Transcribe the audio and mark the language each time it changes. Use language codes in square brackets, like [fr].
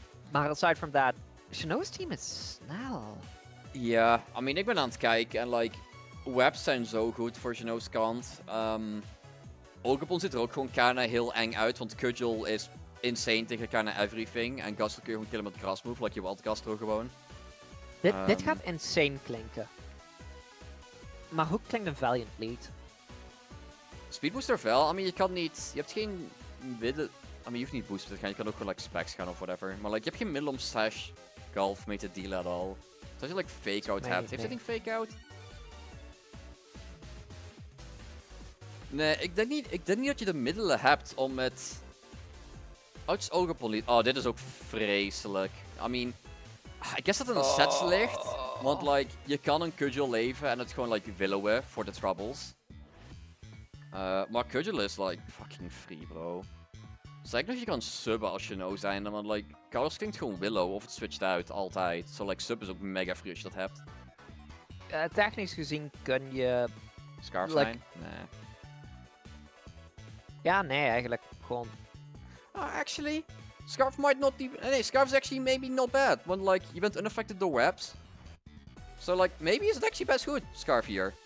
[nl] Maar [en] aside from that, [nl] Shinnoh's team is snel. Ja, yeah, I mean, ik ben aan het kijken en like, webs zijn zo goed voor Shinnoh's kant. Ogepon ziet er ook gewoon kana heel eng uit, want Cudgel is insane tegen kana everything. En Gastro kun je gewoon killen met grass move, like je wilt Gastro gewoon. Dit gaat insane klinken. Maar hoe klinkt een Valiant Lead? Speedbooster wel, I mean, je kan niet, je hebt geen midden, I mean, je hoeft niet boosten te gaan, je kan ook gewoon like specs gaan of whatever. Maar like, je hebt geen middel om Sash Golf mee te dealen at all. Dus als je like fake out hebt, heeft dat niet fake out? Nee, ik denk niet dat je de middelen hebt om met... Oh, Ogepolie. Oh, dit is ook vreselijk. I mean, ik guess dat in de sets ligt. Want like, je kan een Cudgel leven en het gewoon like willowen voor de troubles. Maar Cudgel is like fucking free, bro. Zeg nog je kan subben als je no zijn. Want like, Kalos klinkt gewoon willow of het switcht uit altijd. So like, sub is ook mega free als je dat hebt. Technisch gezien kun je... Scarf zijn? Like... Nee. Ja, nee, eigenlijk gewoon. [en] Actually, Scarf might not be. Nee, Scarf is actually maybe not bad. [nl] Want, like, je bent unaffected door webs. [en] So, like, maybe is it actually best good, [nl] Scarf hier.